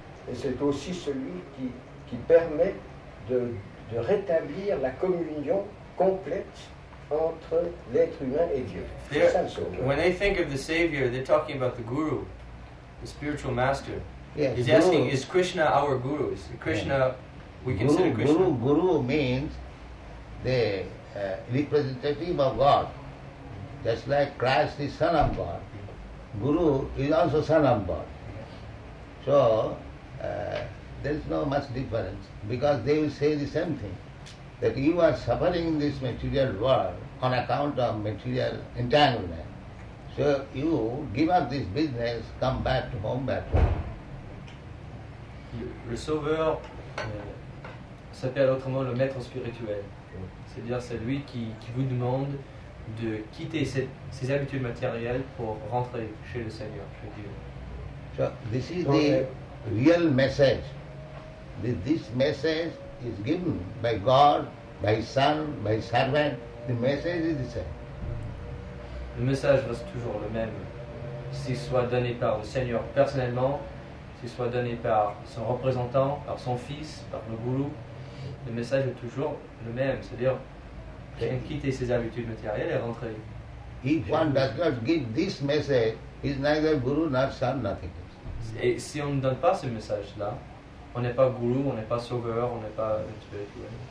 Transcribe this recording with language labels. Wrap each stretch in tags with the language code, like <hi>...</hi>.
<fr>Et c'est aussi celui qui permet de rétablir la communion complète entre l'être humain et Dieu.</fr> <en>When they think of the Savior, they're talking about the Guru, the spiritual master. Yes, he's asking, is Krishna our Guru? Is Krishna, we consider guru, Krishna? Guru means the representative of God. Just like Christ is Son of God, Guru is also Son of God. So, there is no much difference, because they will say the same thing, that you are suffering in this material world on account of material entanglement. So you give up this business, come back to home better.</en> <fr>Le sauveur s'appelle autrement le maître spirituel. C'est-à-dire c'est lui qui vous demande de quitter ses habitudes matérielles pour rentrer chez le Seigneur, chez Dieu.</fr> <en>So this is the real message. This message is given by God, by Son, by Servant. The message is the same.</en> <fr>Le message reste toujours le même. S'il soit donné par le Seigneur personnellement, s'il soit donné par son représentant, par son fils, par le gourou, le message est toujours le même. C'est-à-dire, okay, quitter ses habitudes matérielles et rentrer.</fr> <en>If one does not give this message, he's neither guru nor son, nothing.</en> <fr>Et si on ne donne pas ce message-là, on n'est pas gourou, on n'est pas sauveur, on n'est pas spirituel.</fr>